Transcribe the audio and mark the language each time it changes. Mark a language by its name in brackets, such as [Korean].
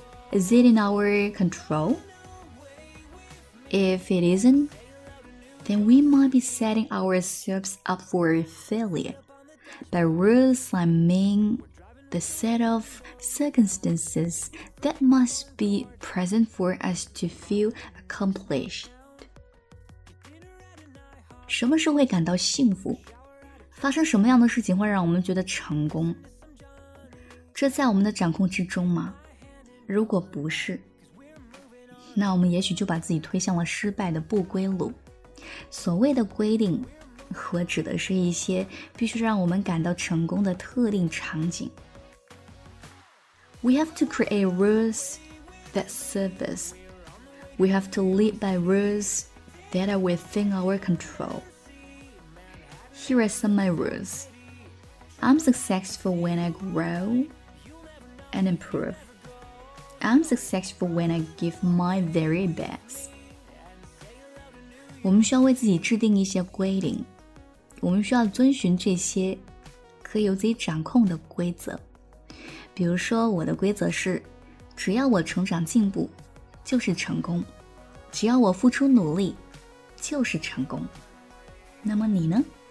[English] Is it in our control? If it isn't, then we might be setting ourselves up for failure. By rules, I mean the set of circumstances that must be present for us to feel accomplished. [Chinese] 什么时候会感到幸福？发生什么样的事情会让我们觉得成功？这在我们的掌控之中吗？如果不是，那我们也许就把自己推向了失败的不归路。所谓的规定，我指的是一些必须让我们感到成功的特定场景。 [English] We have to create rules that serve us. We have to live by rules that are within our controlHere are some of my rules. I'm successful when I grow and improve. I'm successful when I give my very best. [Chinese] 我们需要为自己制定一些规定，我们需要遵循这些可以由自己掌控的规则。比如说，我的规则是，只要我成长进步，就是成功；只要我付出努力，就是成功。那么你呢？